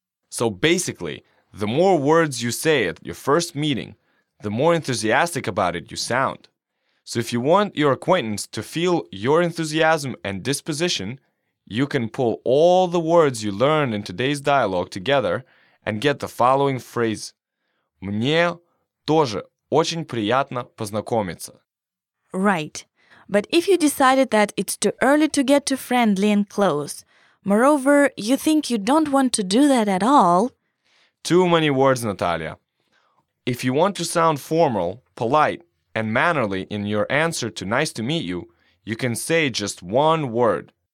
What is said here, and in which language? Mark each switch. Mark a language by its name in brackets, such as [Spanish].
[English] So basically, the more words you say at your first meeting, the more enthusiastic about it you sound. So if you want your acquaintance to feel your enthusiasm and disposition, you can pull all the words you learned in today's dialogue together and get the following phrase. [Russian] Мне тоже очень приятно познакомиться. [English] Right. But if you decided that it's too early to get too friendly and close, moreover, you think you don't want to do that at all... Too many words, Natalia. If you want to sound formal, polite, and mannerly in your answer to nice to meet you, you can say just one word.